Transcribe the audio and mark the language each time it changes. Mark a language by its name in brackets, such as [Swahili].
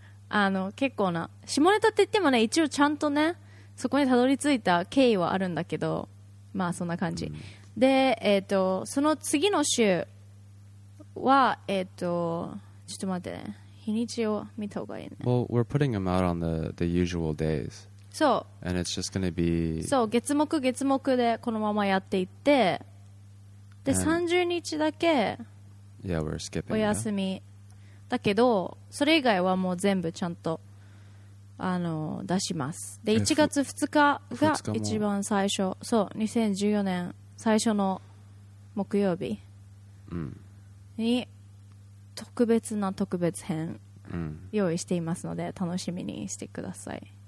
[Japanese] あの結構な下ネタって言ってもね一応ちゃんとねそこにたどり着いた経緯はあるんだけど、まあそんな感じ、うん、で、その次の週はちょっと待ってね、日にちを見た方がいいね。 [English] Well, we're putting them out on the usual days. [Japanese] そう、 [English] And it's just gonna be... [Japanese] そう月目月目でこのままやっていって、で30日だけ [English] yeah, we're skipping, [Japanese] お休み、yeah? だけどそれ以外はもう全部ちゃんと出します。で1月2日が一番最初、そう2014年最初の木曜日に特別な特別編用意していますので楽しみにしてください。